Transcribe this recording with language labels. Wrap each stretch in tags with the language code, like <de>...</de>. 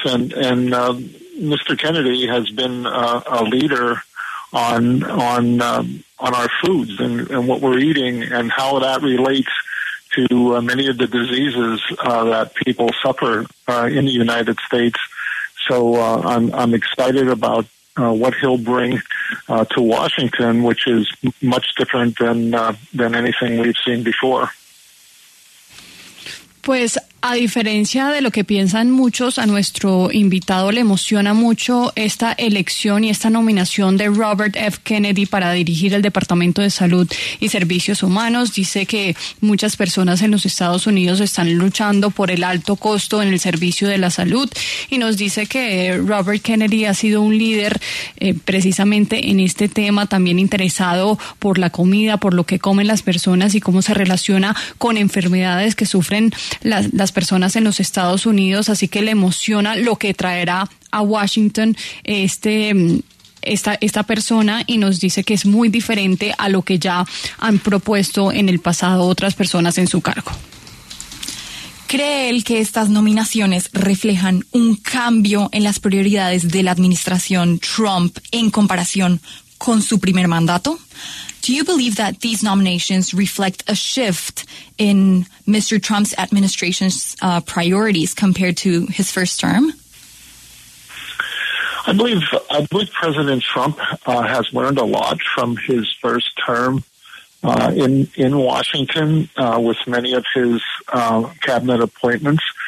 <en>And Mr. Kennedy has been a leader on our foods and what we're eating and how that relates to many of the diseases that people suffer in the United States. So I'm excited about what he'll bring to Washington, which is much different than anything we've seen before.</en> <es>Pues a diferencia de lo que piensan muchos, a nuestro invitado le emociona mucho esta elección y esta nominación de Robert F. Kennedy para dirigir el Departamento de Salud y Servicios Humanos. Dice que muchas personas en los Estados Unidos están luchando por el alto costo en el servicio de la salud y nos dice que Robert Kennedy ha sido un líder precisamente en este tema, también interesado por la comida, por lo que comen las personas y cómo se relaciona con enfermedades que sufren las personas en los Estados Unidos, así que le emociona lo que traerá a Washington esta persona y nos dice que es muy diferente a lo que ya han propuesto en el pasado otras personas en su cargo. ¿Cree él que estas nominaciones reflejan un cambio en las prioridades de la administración Trump en comparación con su primer mandato?</es> <en>Do you believe that these nominations reflect a shift in Mr. Trump's administration's priorities compared to his first term? I believe President Trump has learned a lot from his first term in Washington with many of his cabinet appointments.</en>